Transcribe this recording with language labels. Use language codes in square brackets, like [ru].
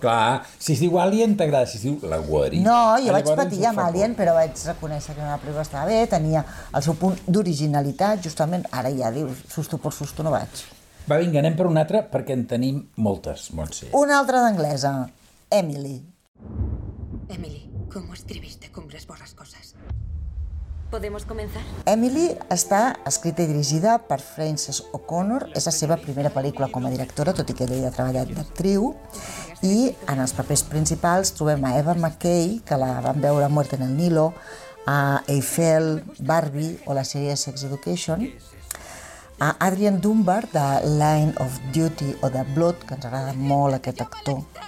[ca] Clar, si es diu Alien t'agrada, si es diu la guarida. No, jo vaig patir amb Alien, però vaig reconèixer que la pel·lícula estava bé, tenia el seu punt d'originalitat, justament, ara ja dius, susto per susto no vaig. Va, vinga, anem per una altra, perquè en tenim moltes, Montse. Una altra d'anglesa, Emily. [es] Emily, ¿cómo escribiste Cumbres borras cosas? ¿Podemos comenzar? [ca] Emily està escrita i dirigida per Frances O'Connor. És la seva primera pel·lícula com a directora, tot i que ella ha treballat d'actriu. I en els papers principals trobem a Eva McKay, que la vam veure a Mort en el Nilo, a Eiffel, Barbie o la sèrie Sex Education, a Adrian Dunbar, de Line of Duty o de Blood, que ens agrada molt aquest actor.